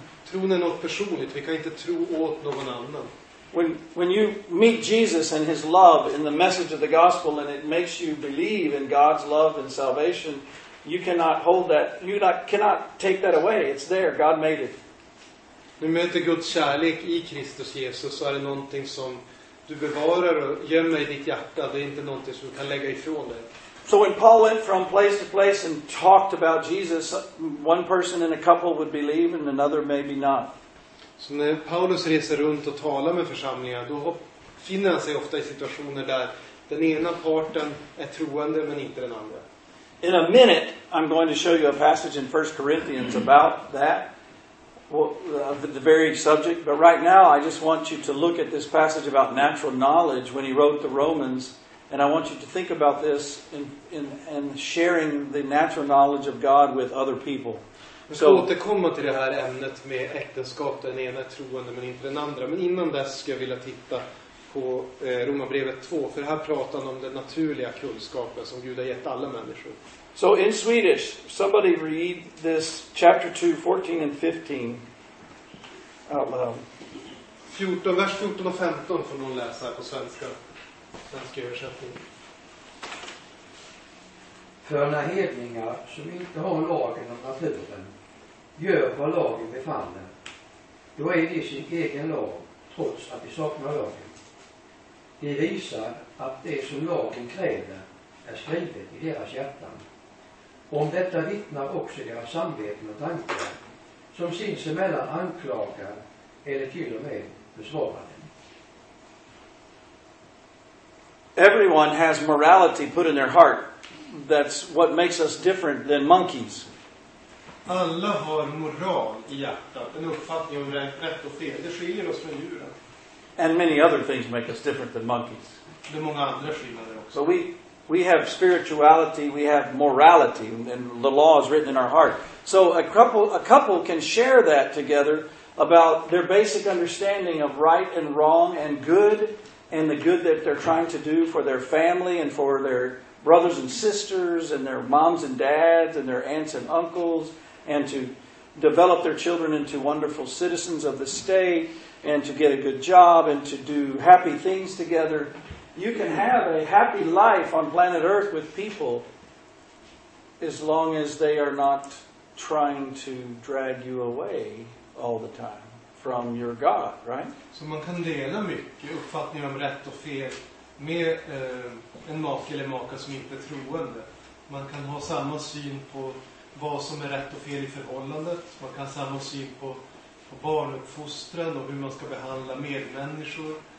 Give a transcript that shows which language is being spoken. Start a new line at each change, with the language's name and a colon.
Swedish: Tron är något personligt. Vi kan inte tro åt någon annan.
English: When you meet Jesus and his love in the message of the gospel and it makes you believe in God's love and salvation, you cannot hold that. You cannot take that away. It's there. God made it.
Swedish: Du möter Guds kärlek i Kristus Jesus, så är det någonting som du bevarar och gömmer i ditt hjärta. Det är inte någonting som du kan lägga ifrån dig.
English: So when Paul went from place to place and talked about Jesus, one person in a couple would believe and another maybe not.
Swedish: Så när Paulus reser runt och talar med församlingar, då finner han sig ofta i situationer där Den ena parten är troende men inte den andra.
English: In a minute I'm going to show you a passage in 1 Corinthians about that. Well, the very subject, but right now I just want you to look at this passage about natural knowledge when he wrote the Romans, and I want you to think about this in sharing the natural knowledge of God with other people.
Swedish: Så återkomma till det här ämnet med äktenskap, den ena troende men inte den andra. Men innan dess ska jag vilja titta på Romarbrevet 2, för här pratar han om den naturliga kunskapen som Gud har gett alla människor.
English: So in Swedish, somebody read this chapter 2, 14 and 15 out loud.
Swedish: 14, vers 14 och 15 får någon läsa på svenska. Svenska översättning. För när hedningar som inte har lagen om naturen gör vad lagen befaller, då är det sin egen lag, trots att de saknar lagen. Det visar att det som lagen kräver är skrivet i deras hjärtan. Om detta vittnar också deras samveten och tankar, som sinsemellan anklagar eller till och med besvarar dem.
English: Everyone has morality put in their heart. That's what makes us different than monkeys.
Swedish: Alla har moral i hjärtat, en uppfattning om rätt och fel. Det skiljer oss från djuren.
English: And many other things make us different than monkeys.
Swedish: Det är många andra skillnader också.
English: So we have spirituality, we have morality, and the law is written in our heart. So a couple can share that together about their basic understanding of right and wrong and good and the good that they're trying to do for their family and for their brothers and sisters and their moms and dads and their aunts and uncles, and to develop their children into wonderful citizens of the state and to get a good job and to do happy things together. You can have a happy life on planet Earth with people as long as they are not trying to drag you away all the time from your God, right?
Swedish: Så man kan dela mycket uppfattning om rätt och fel med en make eller maka som inte är troende. Man kan ha samma syn på vad som är rätt och fel i förhållandet. Man kan ha samma syn på barnuppfostran och hur man ska behandla medmänniskor.